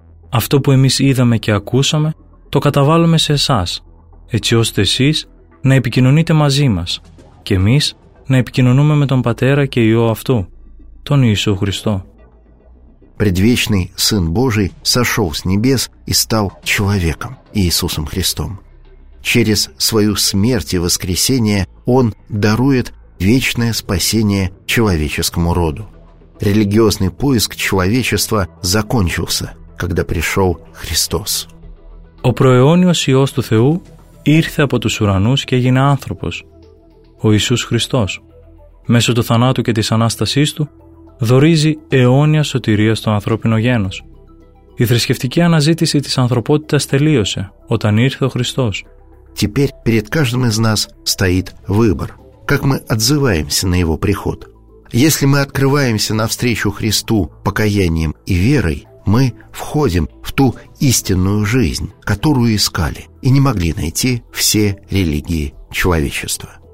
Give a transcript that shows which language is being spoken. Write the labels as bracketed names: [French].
[Greek] Αυτό που εμείς είδαμε και ακούσαμε, το καταβάλουμε σε εσάς, έτσι ώστε εσείς να επικοινωνείτε μαζί μας και εμείς να επικοινωνούμε με τον Πατέρα και Υιό Αυτού, τον Ιησού Χριστό. [Russian] Предвечный Сын Божий сошел с небес и стал человеком. Иисусом Христом. Через свою смерть и воскресение Он дарует вечное спасение человеческому роду. Религиозный поиск человечества закончился, когда пришел Христос. [Greek] «Ο προαιώνιος Υιός του Θεού ήρθε από τους ουρανούς και έγινε άνθρωπος, ο Ιησούς Χριστός. Μέσω του θανάτου και της Ανάστασής Του δωρίζει αιώνια σωτηρία στο ανθρώπινο γένος. Η θρησκευτική αναζήτηση της ανθρωπότητας τελείωσε όταν ήρθε ο Χριστός». [Russian] Теперь перед каждым из нас стоит выбор, как мы отзываемся на Его приход. Если мы открываемся навстречу Христу покаянием и верой, мы входим в ту истинную жизнь, которую искали и не могли найти все религии человечества.